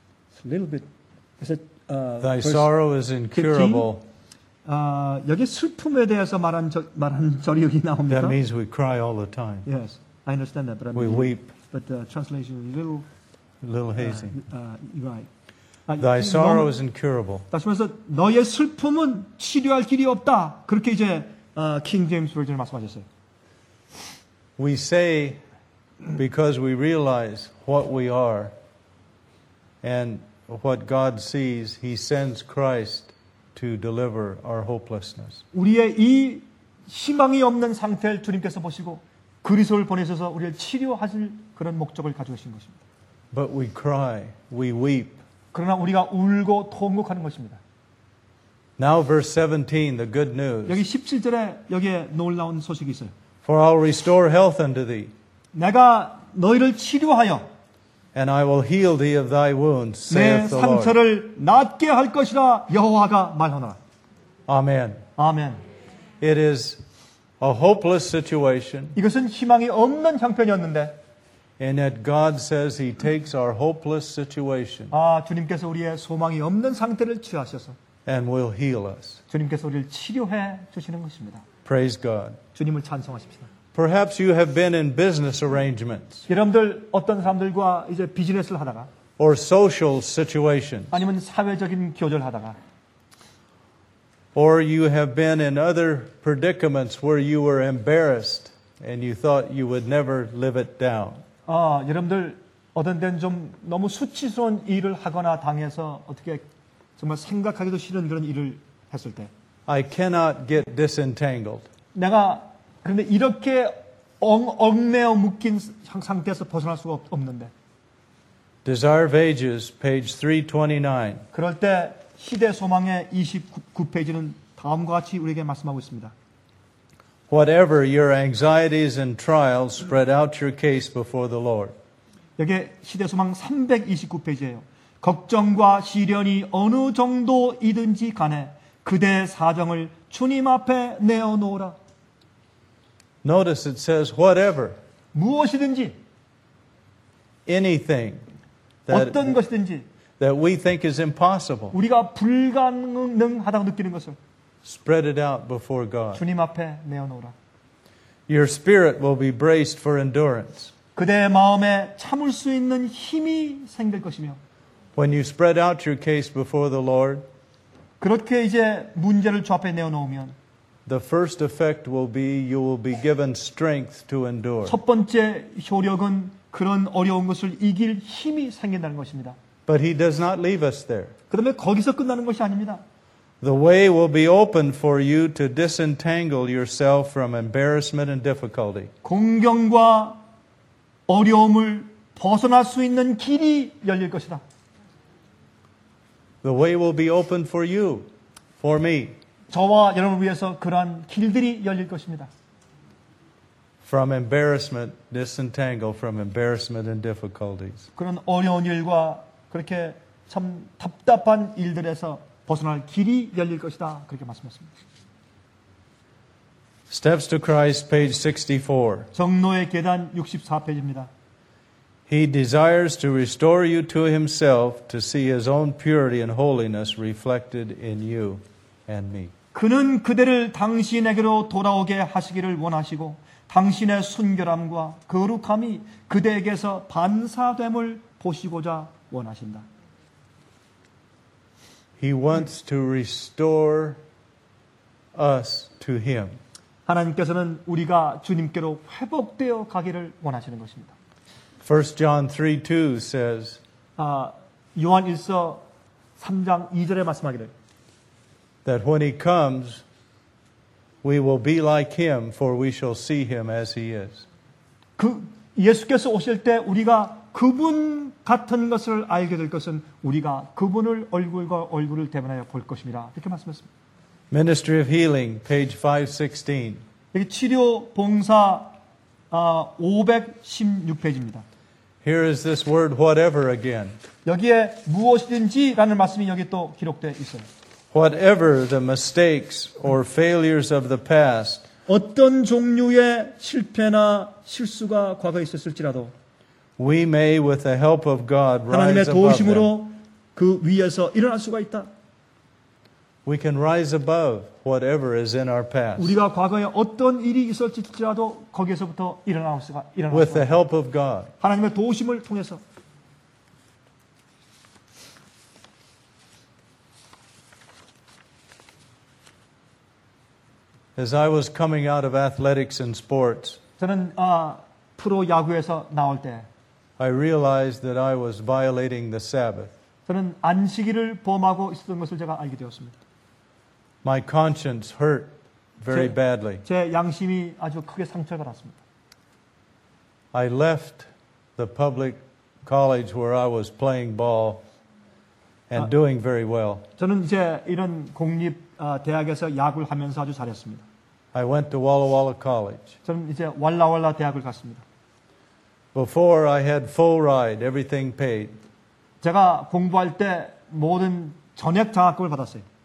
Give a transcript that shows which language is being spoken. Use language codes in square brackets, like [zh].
[en] It's a little bit. Is it, Thy sorrow is incurable. [ko] 여기 슬픔에 대해서 말한 절이 여기 나옵니다. [en] That means we cry all the time. Yes, I understand that. But we weep. But the translation is a little hazy. Right. Thy sorrow is incurable. [ko] 다시 말해서 너의 슬픔은 치료할 길이 없다. 그렇게 이제 King James Version 말씀하셨어요. [en] We say because we realize what we are and what God sees, He sends Christ. To deliver our hopelessness. [ko] 우리의 이 희망이 없는 상태를 주님께서 보시고 그리스도를 보내셔서 우리를 치료하실 그런 목적을 가져오신 것입니다. [en] But we cry, we weep. [ko] 그러나 우리가 울고 통곡하는 것입니다. [en] Now verse 17, the good news. [ko] 여기 17절에 여기에 놀라운 소식이 있어요. [en] For I'll restore health unto thee. [ko] 내가 너희를 치료하여 [en] And I will heal thee of thy wounds, saith the Lord. [ko] 내 상처를 낫게 할 것이라 여호와가 말하노라. [en] Amen. Amen. It is a hopeless situation. [ko] 이것은 희망이 없는 형편이었는데. [en] And yet God says He takes our hopeless situation. [ko] 아, 주님께서 우리의 소망이 없는 상태를 취하셔서. [en] And will heal us. [ko] 주님께서 우리를 치료해 주시는 것입니다. [en] Praise God. [ko] 주님을 찬송하십시다. [en] Perhaps you have been in business arrangements. [ko] 여러분들 어떤 사람들과 이제 비즈니스를 하다가 [en] or social situations. [ko] 아니면 사회적인 교제를 하다가 [en] or you have been in other predicaments where you were embarrassed and you thought you would never live it down. [ko] 아, 여러분들 어떤 때는 좀 너무 수치스러운 일을 하거나 당해서 어떻게 정말 생각하기도 싫은 그런 일을 했을 때 [en] I cannot get disentangled. [ko] 내가 그런데 이렇게 얽매어 묶인 상태에서 벗어날 수가 없는데. [en] Desire of Ages, page 329. [ko] 그럴 때 시대 소망의 29페이지는 다음과 같이 우리에게 말씀하고 있습니다. [en] Whatever your anxieties and trials, spread out your case before the Lord. [ko] 여기 시대 소망 329페이지예요. 걱정과 시련이 어느 정도이든지 간에 그대 사정을 주님 앞에 내어놓으라. [en] Notice it says whatever. [ko] 무엇이든지. [en] Anything. [ko] That, 어떤 것이든지. [en] That we think is impossible. [ko] 우리가 불가능하다고 느끼는 것을. [en] Spread it out before God. [ko] 주님 앞에 내어놓으라. [en] Your spirit will be braced for endurance. [ko] 그대의 마음에 참을 수 있는 힘이 생길 것이며. [en] When you spread out your case before the Lord. [ko] 그렇게 이제 문제를 주 앞에 내어놓으면. [en] The first effect will be you will be given strength to endure. [ko] 첫 번째 효력은 그런 어려운 것을 이길 힘이 생긴다는 것입니다. [en] But he does not leave us there. [ko] 그다음에 거기서 끝나는 것이 아닙니다. [en] The way will be open for you to disentangle yourself from embarrassment and difficulty. [ko] 공경과 어려움을 벗어날 수 있는 길이 열릴 것이다. [en] The way will be open for you, for me. [ko] 저와 여러분 위해서 그러한 길들이 열릴 것입니다. [en] From embarrassment, disentangle from embarrassment and difficulties. [ko] 그런 어려운 일과 그렇게 참 답답한 일들에서 벗어날 길이 열릴 것이다. 그렇게 말씀했습니다. [en] Steps to Christ, page 64. [ko] 정로의 계단 64페이지입니다. [en] He desires to restore you to himself to see his own purity and holiness reflected in you and me. [ko] 그는 그대를 당신에게로 돌아오게 하시기를 원하시고 당신의 순결함과 거룩함이 그대에게서 반사됨을 보시고자 원하신다. [en] He wants to restore us to him. [ko] 하나님께서는 우리가 주님께로 회복되어 가기를 원하시는 것입니다. [en] 1 John 3:2 says [ko] 아 요한일서 3장 2절에 말씀하기를 [en] that when he comes we will be like him for we shall see him as he is. [ko] 그 예수께서 오실 때 우리가 그분 같은 것을 알게 될 것은 우리가 그분을 얼굴과 얼굴을 대면하여 볼 것입니다. 이렇게 말씀했습니다. [en] Ministry of Healing, page 516. [ko] 여기 치료 봉사 516페이지입니다. [en] Here is this word whatever again. [ko] 여기에 무엇이든지라는 말씀이 여기 또 기록되어 있어요. [en] Whatever the mistakes or failures of the past. [ko] 어떤 종류의 실패나 실수가 과거에 있었을지라도 [en] we may with the help of God rise above. [ko] 하나님의 도우심으로 그 위에서 일어날 수가 있다. [en] We can rise above whatever is in our past. [ko] 우리가 과거에 어떤 일이 있었을지라도 거기에서부터 일어날 수가 있다. [en] With the help of God. [ko] 하나님의 도우심을 통해서. [en] As I was coming out of athletics and sports, [ko] 저는 프로 야구에서 나올 때, [en] I realized that I was violating the Sabbath. [ko] 저는 안식일을 범하고 있었던 것을 제가 알게 되었습니다. [en] My conscience hurt very badly. [ko] 제 양심이 아주 크게 상처를 받았습니다. [en] I left the public college where I was playing ball and doing very well. [ko] 저는 이제 이런 공립 대학에서 야구를 하면서 아주 잘했습니다. [en] I went to Walla Walla College. [ko] 저는 이제 왈라왈라 대학을 갔습니다. [en] Before I had full ride, everything paid. [ko] 제가 공부할 때 모든 전액 장학금을 받았어요.